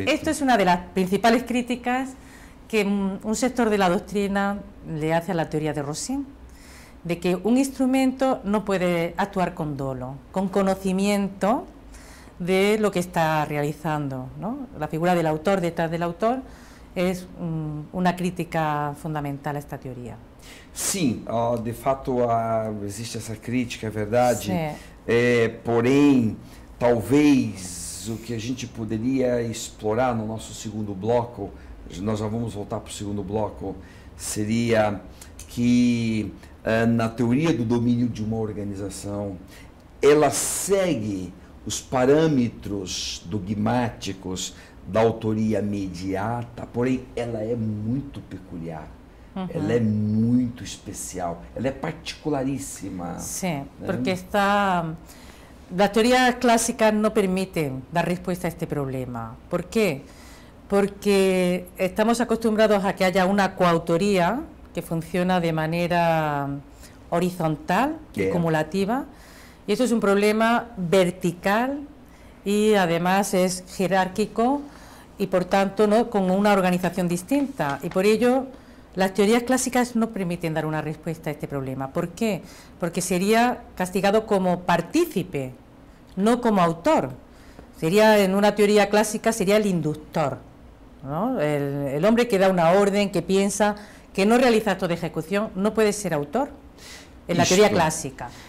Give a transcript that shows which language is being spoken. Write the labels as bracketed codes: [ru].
[es] Y esto es una de las principales críticas que un sector de la doctrina le hace a la teoría de Rossi, de que un instrumento no puede actuar con dolo, con conocimiento de lo que está realizando, ¿no? La figura del autor detrás del autor es una crítica fundamental a esta teoría. [pt] Sim, de fato existe essa crítica, é verdade. Sim. Porém, talvez o que a gente poderia explorar no nosso segundo bloco, nós já vamos voltar para o segundo bloco, seria que na teoria do domínio de uma organização, ela segue os parâmetros dogmáticos da autoria mediata, porém ela é muito peculiar. Uhum. Ela é muito especial, ela é particularíssima. Sim, né? Porque está... A teoria clássica não permite dar resposta a este problema. Por quê? Porque estamos [es] acostumbrados [pt] a que haja uma coautoria que funciona de maneira horizontal e cumulativa. E isso é um problema vertical e, [es] además, [pt] é jerárquico e, portanto, com uma organização distinta. E por isso... [es] Las teorías clásicas no permiten dar una respuesta a este problema. ¿Por qué? Porque sería castigado como partícipe, no como autor. Sería, en una teoría clásica, sería el inductor, ¿no? El hombre que da una orden, que piensa, que no realiza acto de ejecución, no puede ser autor en la teoría clásica.